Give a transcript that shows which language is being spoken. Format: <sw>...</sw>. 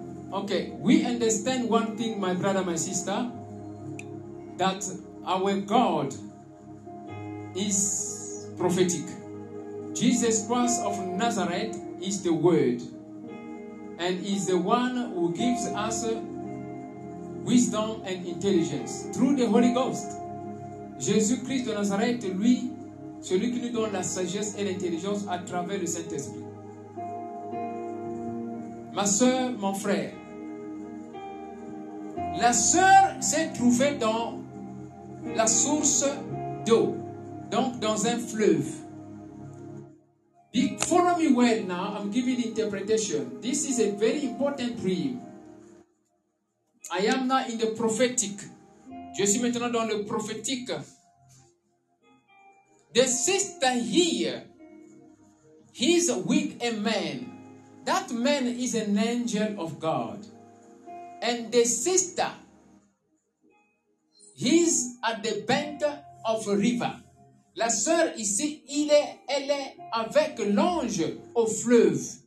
<en>Ok, we understand one thing, my brother, my sister, that our God is prophetic. Jesus Christ of Nazareth is the Word, and is the one who gives us wisdom and intelligence through the Holy Ghost.</en> <fr>Jésus-Christ de Nazareth, lui, celui qui nous donne la sagesse et l'intelligence à travers le Saint-Esprit. Ma soeur, mon frère, la soeur s'est trouvée dans la source d'eau, donc dans un fleuve.</fr> <en>Follow me well now, I'm giving the interpretation. This is a very important dream. I am now in the prophetic.</en> <fr>Je suis maintenant dans le prophétique.</fr> <en>The sister here, he's with a man. That man is an angel of God. And the sister, he's at the bank of a river.</en> <fr>La sœur ici, elle est avec l'ange au fleuve.</fr>